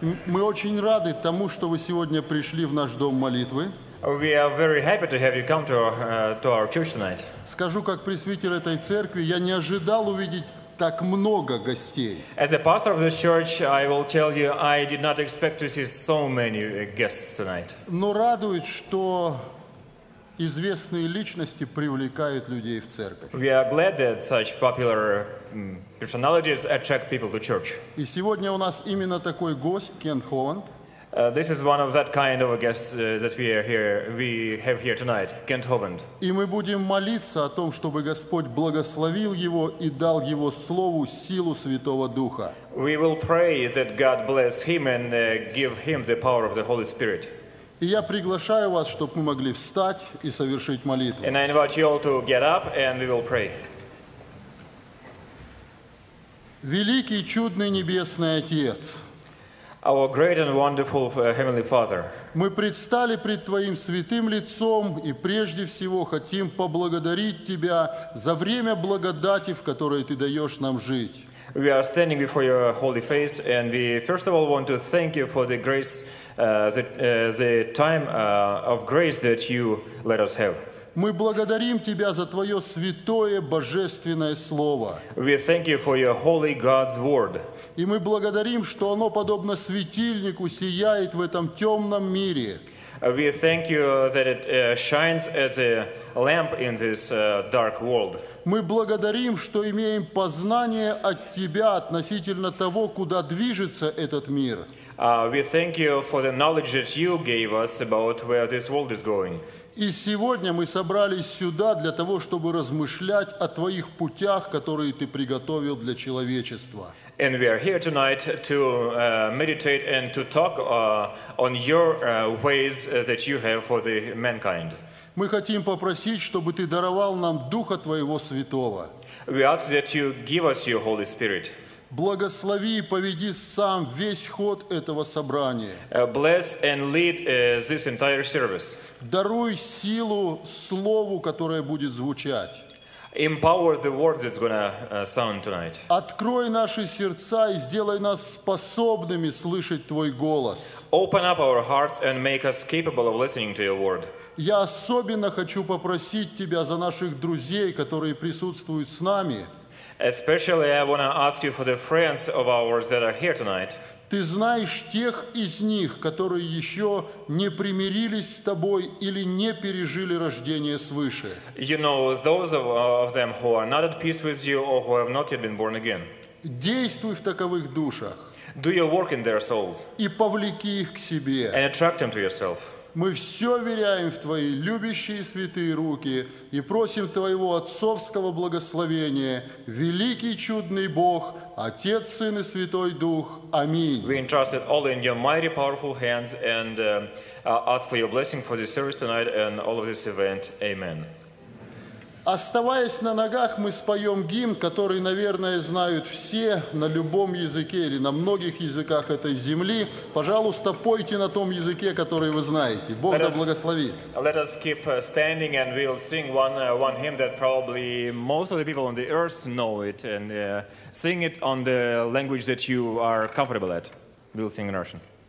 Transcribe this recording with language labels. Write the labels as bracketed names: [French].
[Russian] Мы очень рады тому, что вы сегодня пришли в наш дом молитвы. [English] We are very happy to have you come to our church tonight. [Russian] Скажу, как пресвитер этой церкви, я не ожидал увидеть так много гостей. [English] As a pastor of this church, I will tell you, I did not expect to see so many guests tonight. [Russian] Но радует, что известные личности привлекают людей в церковь. [English] We are glad that such popular personalities attract people to church. [Russian] И сегодня у нас именно такой гость, Кен Холланд. [English] This is one of that kind of guests that we have here tonight, Kent Hovind. [Russian] И мы будем молиться о том, чтобы Господь благословил его и дал его слову силу Святого Духа. [English] We will pray that God bless him and give him the power of the Holy Spirit. [Russian] И я приглашаю вас, чтобы мы могли встать и совершить молитву. [English] And I invite you all to get up and we will pray. [Russian] Великий и чудный небесный Отец. [English] Our great and wonderful Heavenly Father. [Russian] Мы предстали пред Твоим святым лицом и прежде всего хотим поблагодарить Тебя за время благодати, в которой Ты даешь нам жить. [English] We are standing before your holy face, and we first of all want to thank you for the grace, the time of grace that you let us have. [Russian] Мы благодарим Тебя за Твое святое божественное слово. [English] We thank you for your holy God's word. [Russian] И мы благодарим, что оно подобно светильнику сияет в этом темном мире. [English] We thank you that it shines as a lamp in this dark world. [Russian] Мы благодарим, что имеем познание от Тебя относительно того, куда движется этот мир. [English] We thank you for the knowledge that you gave us about where this world is going. [Russian] И сегодня мы собрались сюда для того, чтобы размышлять о Твоих путях, которые Ты приготовил для человечества. [English] And we are here tonight to meditate and to talk on your ways that you have for the mankind. [Russian] Мы хотим попросить, чтобы Ты даровал нам Духа Твоего Святого. [English] We ask that you give us your Holy Spirit. [Russian] Благослови и поведи сам весь ход этого собрания. [English] Bless and lead this entire service. [Russian] Даруй силу слову, которое будет звучать. [English] Empower the word that's going to sound tonight. [Russian] Открой наши сердца и сделай нас способными слышать Твой голос. [English] Open up our hearts and make us capable of listening to your word. [Russian] Я особенно хочу попросить Тебя за наших друзей, которые присутствуют с нами. [English] Especially I want to ask you for the friends of ours that are here tonight. [Russian] Ты знаешь тех из них, которые еще не примирились с тобой или не пережили рождение свыше. [English] You know those of them who are not at peace with you or who have not yet been born again. [Russian] Действуй в таковых душах. [English] Do your work in their souls. [Russian] И повлеки их к себе. [English] And attract them to yourself. [Russian] Мы все веряем в Твои любящие святые руки и просим Твоего отцовского благословения, великий чудный Бог, Отец, Сын и Святой Дух. Аминь. [English] We entrust it all in your mighty, powerful hands and ask for your blessing for this service tonight and all of this event. Amen. [Russian] Оставаясь на ногах, мы споем гимн, который, наверное, знают все на любом языке или на многих языках этой земли. Пожалуйста, пойте на том языке, который вы знаете. Бог да благословит. [English] Let us keep standing and we'll sing one hymn that probably most of the people on the earth know it and sing it on the language that you are comfortable at. We'll sing in Russian.